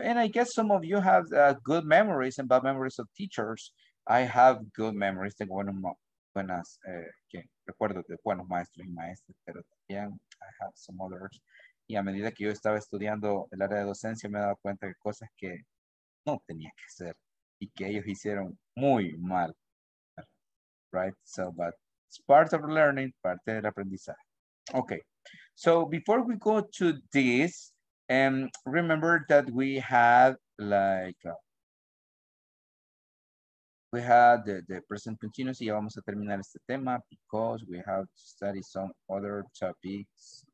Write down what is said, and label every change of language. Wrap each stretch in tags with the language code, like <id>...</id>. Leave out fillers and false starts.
<en>And I guess some of you have good memories and bad memories of teachers. I have good memories.</en> <es>Tengo buenas, recuerdo de buenos maestros y maestras, pero también</es> <en>I have some others.</en> <es>Y a medida que yo estaba estudiando el área de docencia, me he dado cuenta de cosas que no tenía que hacer y que ellos hicieron muy mal.</es> <en>Right? So, but it's part of learning,</en> <es>parte del aprendizaje.</es> <en>Okay, so before we go to this, remember that we had like we had the present continuous.</en> <es>Y vamos a terminar este tema</es> <en>because we have to study some other topics.</en>